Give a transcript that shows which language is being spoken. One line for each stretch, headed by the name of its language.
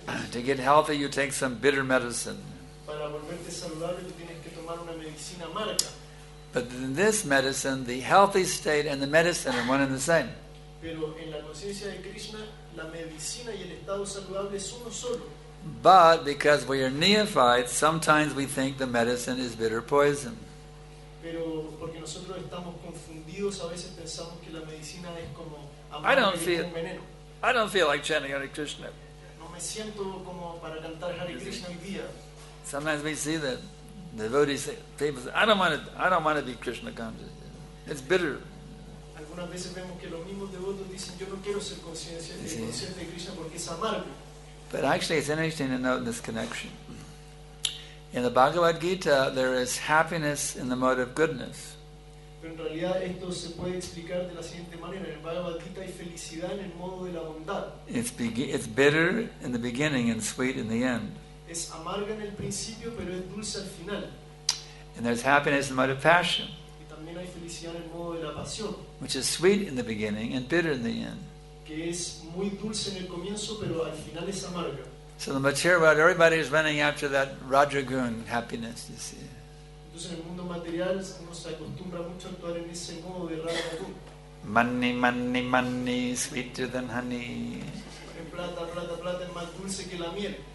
English: To get healthy, you take some bitter medicine.
Spanish: Para volverte saludable, tú tienes que tomar una medicina amarga.
English: But in this medicine, the healthy state and the medicine are one and the same.
Spanish: Pero en la conciencia de Krishna, la medicina y el estado saludable es uno solo.
English: But because we are neophytes, sometimes we think the medicine is bitter poison.
Spanish: Pero porque nosotros estamos confundidos, a veces pensamos que la medicina es como
English: I don't feel like chanting Hare Krishna.
Spanish: No me siento como para cantar Hare Krishna hoy día.
English: Sometimes we see that the devotees say, people say, I don't want to be Krishna conscious. It's bitter.
Spanish: Algunas veces vemos que los mismos devotos dicen, yo no quiero ser consciente de Krishna porque es amargo.
English: But actually, it's interesting to note this connection. In the Bhagavad Gita, there is happiness in the mode of goodness.
Spanish: Pero en realidad esto se puede explicar de la siguiente manera. En el Bhagavad Gita hay felicidad en el modo de la bondad.
English: It's bitter in the beginning and sweet in the end.
Spanish: Es amarga en el principio, pero es dulce al final.
English: And there's happiness in the mode of passion.
Spanish: Y también hay felicidad en el modo de la pasión.
English: Which is sweet in the beginning and bitter in the end.
Spanish: Que es muy dulce en el comienzo, pero al final es amarga.
English: So the material world, everybody is running after that Rajagun happiness, you see.
Spanish: Entonces, en el mundo material uno se acostumbra mucho a actuar en ese modo de rara.
English: Money, money, money, sweeter than honey.
Spanish: En plata, plata, plata, es más dulce que la miel.